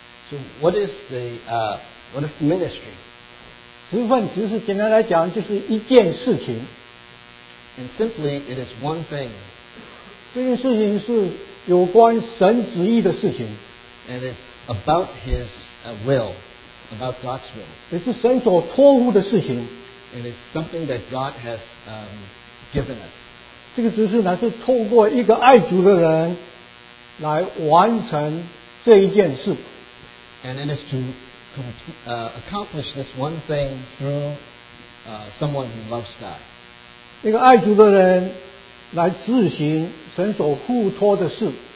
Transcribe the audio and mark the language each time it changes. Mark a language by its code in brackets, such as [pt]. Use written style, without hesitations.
[en] ？So what is the what is the ministry? [zh] 职分、执事，简单来讲就是一件事情。 [en] And simply, it is one thing. [zh] 这件事情是有关神旨意的事情。 [en] And it's about His will, about God's will. [zh] 也是神所托付的事情。 [en] And it's something that God has given us. [zh] 这个执事乃是透过一个爱主的人。来完成这一件事。 [en] And it is to accomplish this one thing through someone who loves God. [zh] 一个爱主的人来执行神所附托的事。